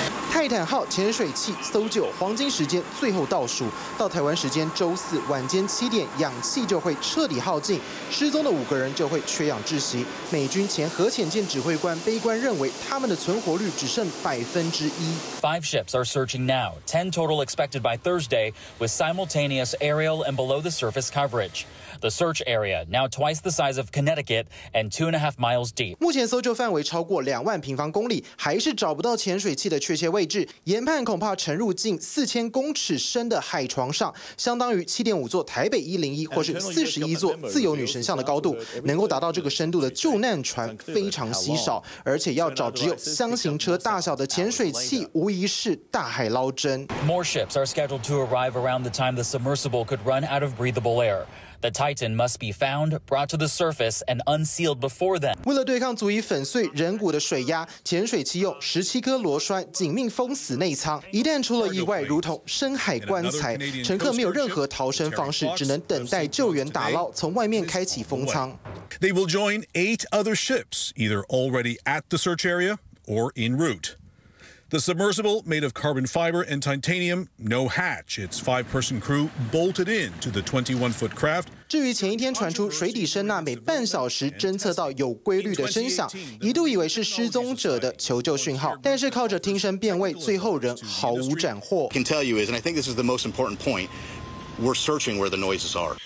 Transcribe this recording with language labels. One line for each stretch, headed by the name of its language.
Chinese: 泰坦号潜水器搜救黄金时间最后倒数，到台湾时间周四晚间7点，氧气就会彻底耗尽，失踪的5个人就会缺氧窒息。美军前核潜舰指挥官悲观认为，他们的存活率只剩1%。
English: 5 ships are searching now, 10 total expected by Thursday, with simultaneous aerial and below the surface coverage. The search area now twice the size of Connecticut and 2.5 miles deep.
Chinese: 目前搜救范围超过20,000平方公里，还是找不到潜水器的确切位置，研判恐怕沉入近4000公尺深的海床上，相当于7.5座台北101或是41座自由女神像的高度。能够达到这个深度的救难船非常稀少，而且要找只有箱型车大小的潜水器，无疑是大海捞针。
English: More ships are scheduled to arrive around the time the submersible could run out of breathable air. The Titan must be found, brought to the surface, and unsealed before then.
Chinese: 为了对抗足以粉碎人骨的水压，潜水器用17颗螺栓紧密封死内舱。一旦出了意外，如同深海棺材，乘客没有任何逃生方式，只能等待救援打捞，从外面开启封舱。
English: They will join 8 other ships, either already at the search area or en route. The submersible, made of carbon fiber and titanium, no hatch. Its 5-person crew bolted in to the 21-foot craft.
Chinese: 至于前一天传出水底声呐每半小时侦测到有规律的声响，一度以为是失踪者的求救讯号，但是靠着听声辨位，最后仍毫无斩获。
English: I can tell you is, and I think this is the most important point, we're searching where the noises are.